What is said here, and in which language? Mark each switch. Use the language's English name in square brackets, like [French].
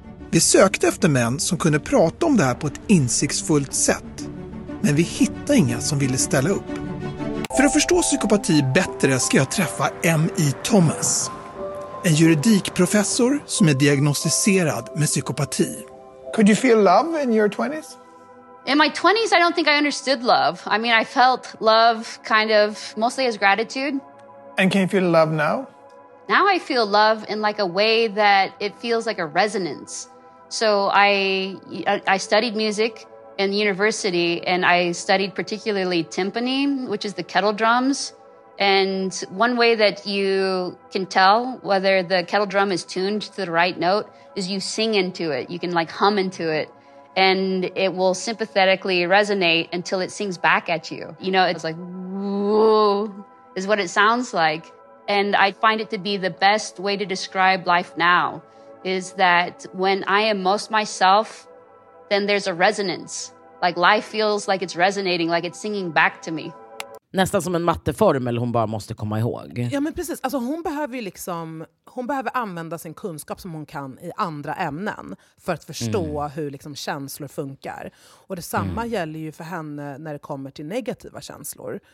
[Swedish] Vi sökte efter män som kunde prata om det här på ett insiktsfullt sätt, men vi hittade inga som ville ställa upp. För att förstå psykopati bättre ska jag träffa M.I. Thomas. En juridikprofessor som är diagnostiserad med psykopati. [English] Could you feel love in your 20s? In my 20s I don't think I understood love. I mean I felt love kind of mostly as gratitude. And can you feel love now? Now I feel love in like a way that it feels like a resonance. So I studied music in university, and I studied particularly timpani, which is the kettle drums. And one way that you can tell whether the kettle drum is tuned to the right note is you sing into it. You can like hum into it, and it will sympathetically resonate until it sings back at you. You know, it's like, woo, is what it sounds like. And I find it to be the best way to describe life now, is that when I am most myself, then there's a resonance. Like life feels like it's resonating, like it's singing back to me. [Swedish] Nästan som en matteformel hon bara måste komma ihåg. Ja, men precis. Alltså, hon behöver ju liksom, hon behöver använda sin kunskap som hon kan i andra ämnen för att förstå hur liksom känslor funkar. Och detsamma gäller ju för henne när det kommer till negativa känslor.